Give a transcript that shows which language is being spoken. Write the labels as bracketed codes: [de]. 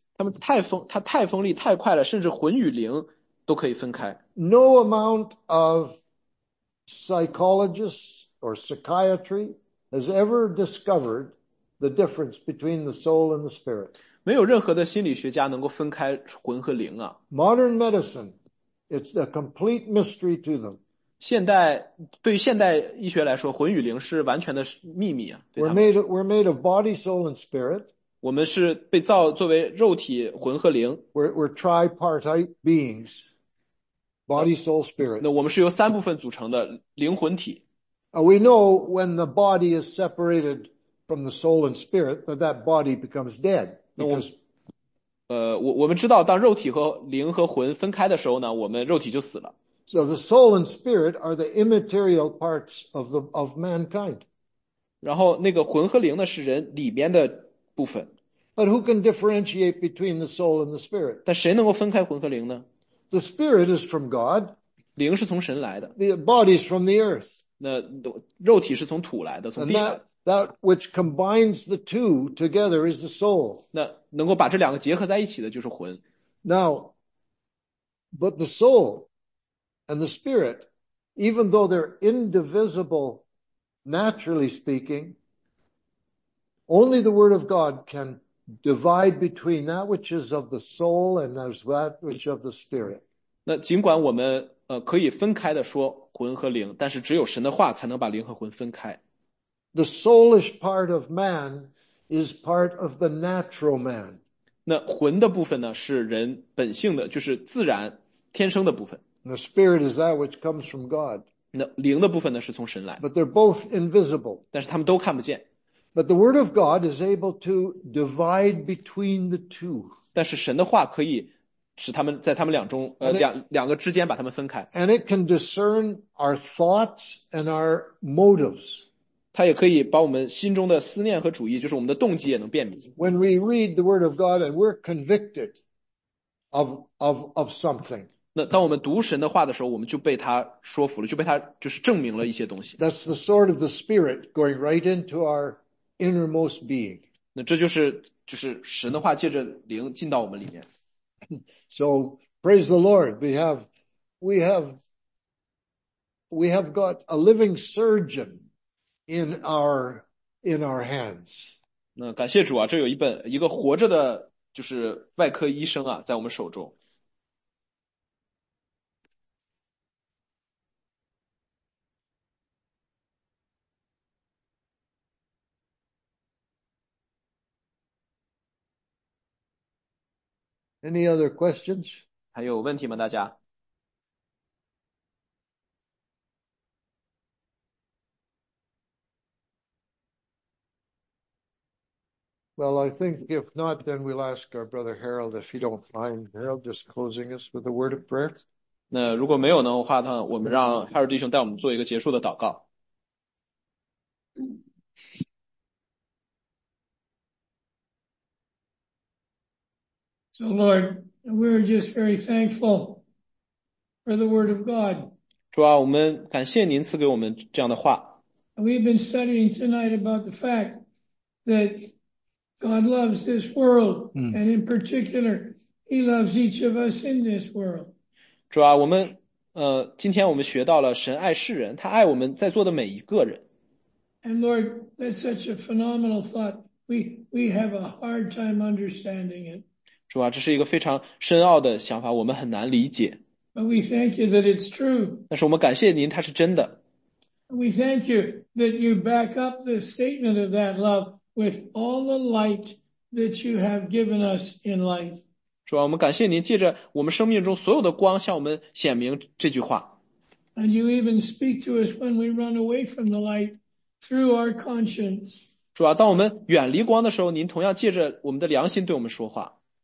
[zh] 它太锋利太快了，甚至魂与灵都可以分开。 [en] No amount of psychologists or psychiatry has ever discovered the difference between the soul and the spirit. [zh] 没有任何的心理学家能够分开魂和灵啊。 [en] Modern medicine, it's a complete mystery to them. [zh] 对于现代医学来说，魂与灵是完全的秘密啊。 [en] We're made of body, soul, and spirit. [zh] 我们是被造作为肉体、魂和灵。 [en] We're tripartite beings. Body, soul, spirit. [zh] 那我们是由三部分组成的灵魂体。 [en] We know when the body is separated from the soul and spirit, that body becomes dead. Because, [zh] 我们知道当肉体和灵和魂分开的时候呢，我们肉体就死了。 [en] So the soul and spirit are the immaterial parts of mankind. [zh] 然后那个魂和灵呢是人里边的部分。 [en] But who can differentiate between the soul and the spirit? [zh] 但谁能够分开魂和灵呢？ [en] The spirit is from God. [zh] 灵是从神来的。 [en] The body is from the earth. [zh] 那肉体是从土来的，从地来的。 [en] And that which combines the two together is the soul. [zh] 那能够把这两个结合在一起的就是魂。 [en] Now, but the soul,And the spirit, even though they're indivisible, naturally speaking, only the word of God can divide between that which is of the soul and that which is of the spirit. [zh] 那尽管我们可以分开的说魂和灵，但是只有神的话才能把灵和魂分开。 [en] The soulish part of man is part of the natural man. [zh] 那魂的部分呢，是人本性的，就是自然天生的部分。 [en] And the spirit is that which comes from God. [zh] 那灵的部分呢是从神来。 [en] But they're both invisible. [zh] 但是他们都看不见。 [en] But the word of God is able to divide between the two. [zh] 但是神的话可以使他们在他们两中两个之间把他们分开。 [en] And it can discern our thoughts and our motives. [zh] 它也可以把我们心中的思念和主意，就是我们的动机也能辨明。 [en] When we read the word of God and we're convicted of something. [zh] 那当我们读神的话的时候，我们就被他说服了，就被他就是证明了一些东西。 [en] That's the sword of the spirit going right into our innermost being. [zh] 那这就是神的话借着灵进到我们里面。 [en] So praise the Lord, we have we have got a living surgeon in our hands. [zh] 那感谢主啊，这有一个活着的就是外科医生啊，在我们手中。 [en] Any other questions? [zh] 还有问题吗，大家？ [en] Well, I think if not, then we'll ask our brother Harold, if you don't mind, Harold, just closing us with a word of prayer. [zh] 那如果没有的话呢，我们让 Harold 弟兄带我们做一个结束的祷告。 [en] So, Lord, we're just very thankful for the word of God. [zh] 主啊，我们感谢您赐给我们这样的话。 [en] We've been studying tonight about the fact that God loves this world, and in particular, He loves each of us in this world. [zh] 主啊，我们今天我们学到了神爱世人，他爱我们在座的每一个人。 [en] And Lord, that's such a phenomenal thought. We have a hard time understanding it. [zh] 主啊，这是一个非常深奥的想法，我们很难理解。 [en] But we thank you that it's true. [zh] 但是我们感谢您，它是真的。 [en] We thank you that you back up the statement of that love with all the light that you have given us in life. [zh] 主啊，我们感谢您借着我们生命中所有的光向我们显明这句话。 [en] And you even speak to us when we run away from the light through our conscience. [zh] 主啊，当我们远离光的时候，您同样借着我们的良心对我们说话。